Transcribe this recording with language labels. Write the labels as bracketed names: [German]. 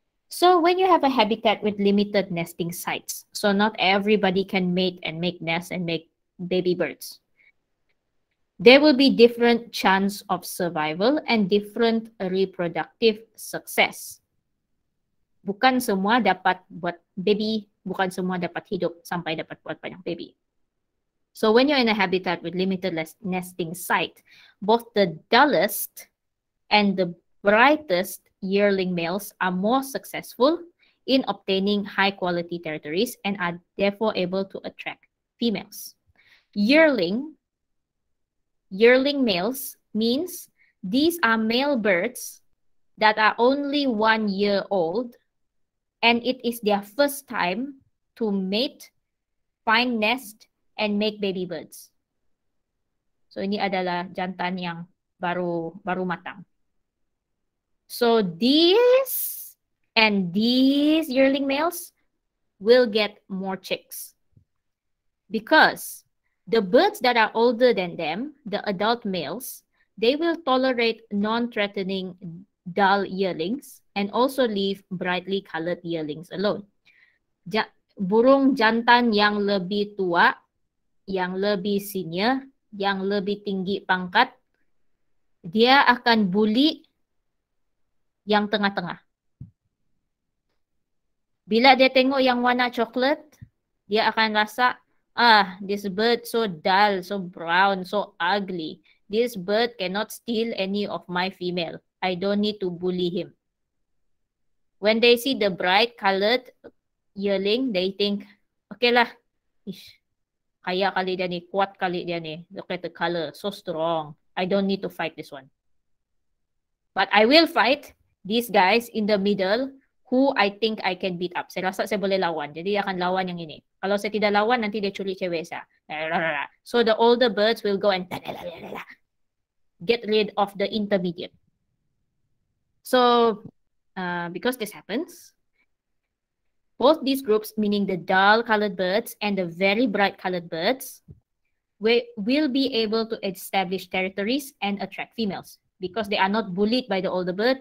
[English] So when you have a habitat with limited nesting sites, so not everybody can mate and make nests and make baby birds, there will be different chance of survival and different reproductive success. [Malay] Bukan semua dapat buat baby, bukan semua dapat hidup sampai dapat buat banyak baby. [English] So when you're in a habitat with limited nesting site, both the dullest and the brightest yearling males are more successful in obtaining high quality territories and are therefore able to attract females. Yearling males means these are male birds that are only 1 year old and it is their first time to mate, find nest, and make baby birds. [Malay] So ini adalah jantan yang baru matang. [English] So these and these yearling males will get more chicks because The birds that are older than them, the adult males, they will tolerate non-threatening dull yearlings and also leave brightly colored yearlings alone. [Malay] Burung jantan yang lebih tua, yang lebih senior, yang lebih tinggi pangkat, dia akan bully yang tengah-tengah. Bila dia tengok yang warna coklat, dia akan rasa, ah, [English] this bird so dull, so brown, so ugly. This bird cannot steal any of my female. I don't need to bully him. When they see the bright colored yearling, they think, okay lah, ish, [Malay] kaya kali dia ni, [English] kuat kali dia ni. Look at the color, so strong. I don't need to fight this one. But I will fight these guys in the middle who I think I can beat up. [Malay] Saya rasa saya boleh lawan. Jadi akan lawan yang ini. Kalau saya tidak lawan, nanti dia curi cewek saya. [English] So the older birds will go and get rid of the intermediate. So because this happens, both these groups, meaning the dull colored birds and the very bright colored birds, will be able to establish territories and attract females because they are not bullied by the older bird.